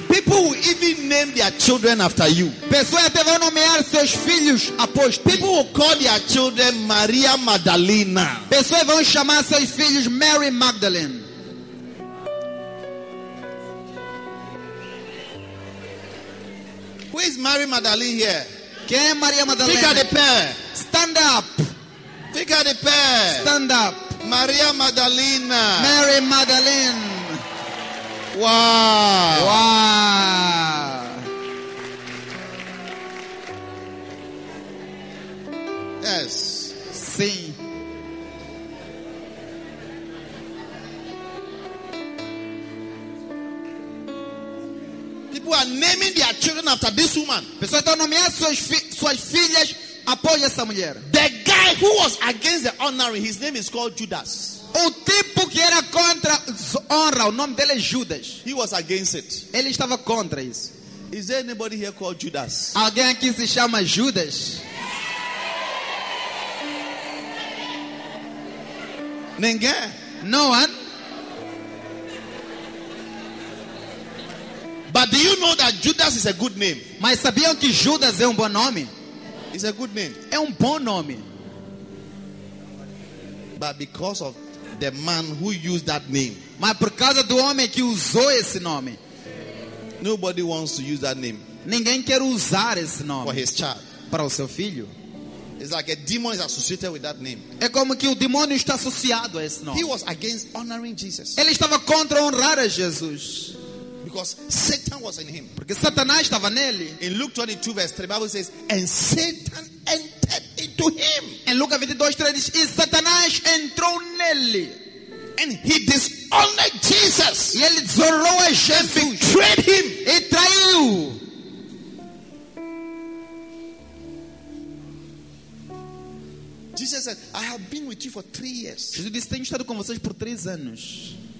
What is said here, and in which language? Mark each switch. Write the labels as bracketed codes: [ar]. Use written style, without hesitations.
[en] People will even name their children after you. [pt] Pessoas até vão nomear seus filhos após ti. [en] People will call their children Maria Madalena. [pt] Pessoas vão chamar seus filhos Mary Magdalene. [en] Who is Mary Madalene here? [pt] Quem é Maria Madalena? Fica de pé. [en] Stand up. [pt] Fica de pé. [en] Stand up. [pt] Maria Madalena. [en] Mary Madalene. Wow. Wow. Yes. [pt] Sim. [en] People are naming their children after this woman. [pt] Pessoas estão nomeando suas filhas após essa mulher. [en] The guy who was against the honoring, his name is called Judas. [pt] O tipo que era contra honra, o nome dele é Judas. [en] He was against it. [pt] Ele estava contra isso. [en] Is there anybody here called Judas? [pt] Alguém aqui se chama Judas? Ninguém? [en] No one. But do you know that Judas is a good name? [pt] Mas sabiam que Judas é um bom nome? [en] It's a good name. [pt] É um bom nome. [en] But because of the man who used that name. [pt] Mas por causa do homem que usou esse nome. [en] Nobody wants to use that name. [pt] Ninguém quer usar esse nome. [en] For his child. [pt] Para o seu filho. [en] It's like a demon is associated with that name. [pt] É como que o demônio está associado a esse nome. [en] He was against honoring Jesus. [pt] Ele estava contra honrar a Jesus. [en] Because Satan was in him. [pt] Porque Satanás estava nele. [en] In Luke 22 verse 3, the Bible says, and Satan entered into him. [pt] Em Lucas 22, 3 diz, e Satanás entrou nele. [en] And he dishonored Jesus. [pt] E ele desonrou a Jesus. [en] And betrayed him. [pt] E traiu. [en] Jesus said, I have been with you for 3 years. [pt] Jesus disse, tenho estado com vocês por 3 anos.